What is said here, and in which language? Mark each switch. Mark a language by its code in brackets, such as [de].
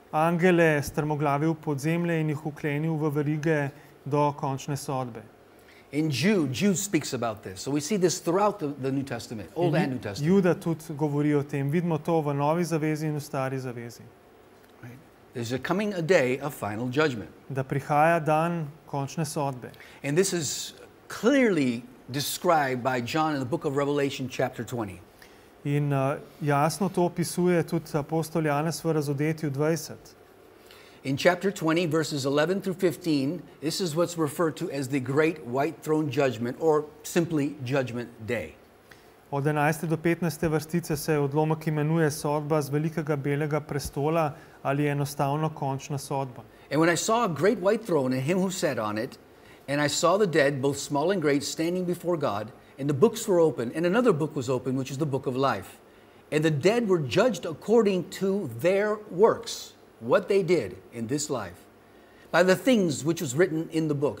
[sl] Angele strmoglavil pod zemlje in jih uklenil v verige do končne sodbe. [en] In Jude speaks about this. So we see this throughout the New Testament, Old and New Testament. [sl] Juda tudi govori o tem. Vidimo to v Novi zavezi in v Stari zavezi. [en] There's a coming a day of final judgment. [sl] Da prihaja dan končne sodbe. [en] And this is clearly described by John in the book of Revelation chapter 20. [sl] In jasno to opisuje tudi apostol Janez v razodetju 20. [en] In chapter 20, verses 11 through 15, this is what's referred to as the great white throne judgment, or simply judgment day. [sl] Od 11. do 15. vrstice se odlomek imenuje sodba z velikega belega prestola, ali enostavno končna sodba. [en] And when I saw a great white throne and him who sat on it, and I saw the dead, both small and great, standing before God, and the books were open, and another book was open, which is the book of life. And the dead were judged according to their works, what they did in this life, by the things which was written in the book.